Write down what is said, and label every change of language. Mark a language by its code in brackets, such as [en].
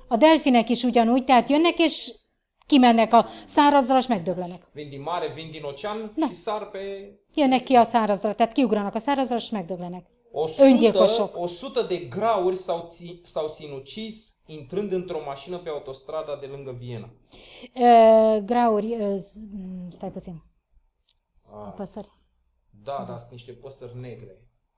[hu] A delfinek is ugyanúgy, tehát jönnek és kimennek a szárazra, és megdöglenek. [ro] Vin din mare, vin din ocean, și sar pe... [hu] Jönnek ki a szárazra, tehát kiugranak a szárazra, és megdöglenek. Öngyilkosok. [ro] 100 de grauri s-au sinucis intrând într-o mașină pe autostrada de lângă Viena. Grauri, stai puțin. Păsări. Da, da, sunt niște păsări negre.